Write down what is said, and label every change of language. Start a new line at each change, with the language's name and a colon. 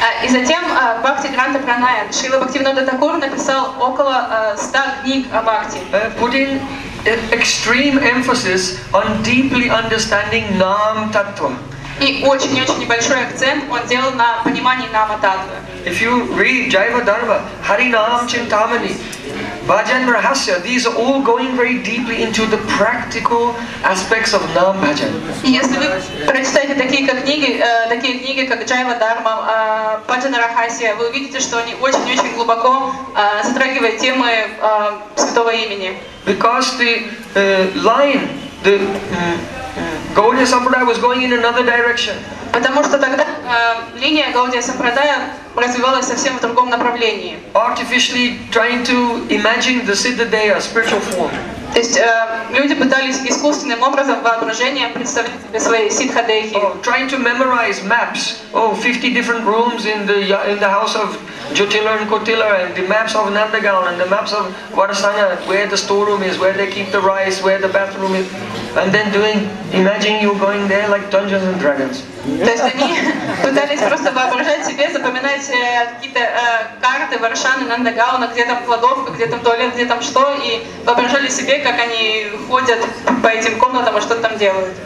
Russian: И затем Bhakti Granta Pranayam, Srila Bhaktivinoda Thakura написал около 100 книг о Бхакти.
English: Putting extreme emphasis on deeply understanding Nama Tattva.
Russian: И очень-очень небольшой акцент он делал на понимании Нама Таттвы.
English: If you read Jaiva Dharva, Harinam Chintamani, Bhajan Rahasya, these are all going very deeply into the practical aspects of Nam Bhajan.
Russian: Если вы прочитаете такие книги, как Jaiva Dharma, Bhajan Rahasya, вы увидите, что они очень-очень глубоко затрагивают темы святого имени.
English: Because the line, the Gaudiya Sampradaya was going in another direction.
Russian: Потому что тогда линия Гаудия Сампрадая развивалась совсем в другом направлении.
English: Artificially trying to imagine the Siddhadeya, spiritual form.
Russian: То есть люди пытались искусственным образом воображением представить себе свои Сиддхадейхи.
English: Trying to memorize maps. 50 different rooms in the house of Jyotila and Kotila, and the maps of Nandagaon, and the maps of Varasanya, where the storeroom is, where they keep the rice, where the bathroom is, and then imagine you going there like Dungeons and Dragons.
Russian: То есть они пытались просто воображать себе, запоминать какие-то карты Варшаны, Нандагауна, где там кладовка, где там туалет, где там что, и воображали себе, как они ходят по этим комнатам и что там делают.